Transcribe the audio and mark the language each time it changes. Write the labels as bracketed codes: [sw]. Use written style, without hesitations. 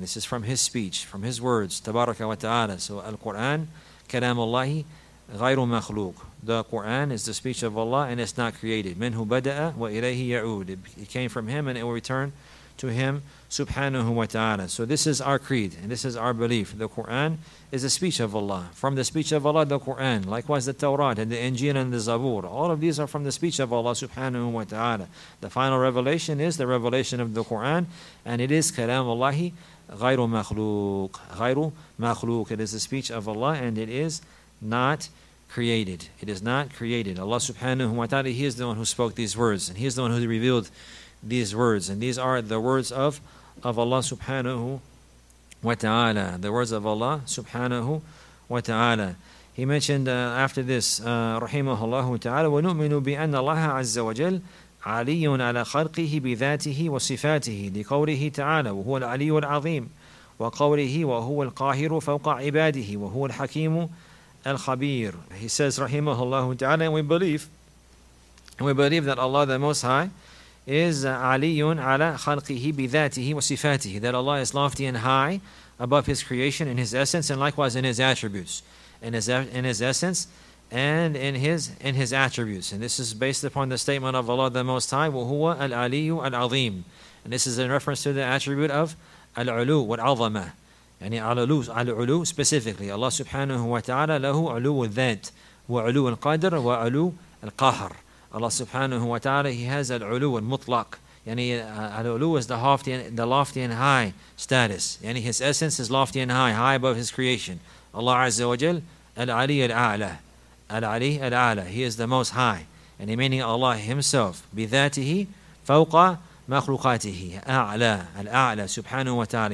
[en] This is from His speech, from His words, tabaraka wa ta'ala. [ar] So Al-Quran, كلام الله غير مخلوق. [en] The Quran is the speech of Allah, and it's not created. [ar] منه بدأ وإليه يعود. [en] It came from Him, and it will return to Him, subhanahu wa ta'ala. So this is our creed, and this is our belief. The Quran is the speech of Allah. From the speech of Allah, the Quran. Likewise, the Torah, and the Injil, and the Zabur. All of these are from the speech of Allah, subhanahu wa ta'ala. The final revelation is the revelation of the Quran, and it is [ar] كلام الله غير مخلوق. غير مخلوق. [en] It is the speech of Allah, and it is not created. Allah subhanahu wa ta'ala, He is the one who spoke these words, and He is the one who revealed these words, and these are the words of Allah subhanahu wa ta'ala. The words of Allah subhanahu wa ta'ala. He mentioned after this, [ar] rahimahullah ta'ala, وَنُؤْمِنُ بِأَنَّ اللَّهَ عَزَّ وَجَلَّ عَلِيٌّ عَلَى خَلْقِهِ بِذَاتِهِ وَصِفَاتِهِ لِقَوْلِهِ تَعَالَى وَهُوَ الْعَلِيُّ الْعَظِيمُ وَقَوْلِهِ وَهُوَ الْقَاهِرُ فَوْقَ عِبَادِهِ وَهُوَ الْحَكِيمُ الْخَبِيرُ. [en] He says, rahimahullah ta'ala, and we believe that Allah the Most High is [ar] عَلِيٌّ عَلَى خَلْقِهِ بِذَاتِهِ وَصِفَاتِهِ, [en] that Allah is lofty and high above His creation in His essence, and likewise in His attributes, in His essence and in His attributes. And this is based upon the statement of Allah the Most High, [ar] وَهُوَ الْعَلِيُّ الْعَظِيمُ. [en] And this is in reference to the attribute of [ar] الْعُلُو وَالْعَظَمَة, يعني الْعُلُو [en] specifically. [ar] Allah subhanahu wa ta'ala, لَهُ عُلُوُ الذَّاتِ وَعُلُوُ الْقَدْرِ وَعُلُوُ الْقَهْرِ. [en] Allah subhanahu wa ta'ala, He has al-ulu al-mutlaq. Yani al-ulu is the lofty and high status. Yani His essence is lofty and high above His creation. [ar] Allah azza wa jal, al-ali al-a'la. Al-ali al-a'la. [en] He is the most high. And meaning Allah Himself, [ar] bi-dhatihi fawqa makhluqatihi, [en] a'la, al-a'la, subhanahu wa ta'ala.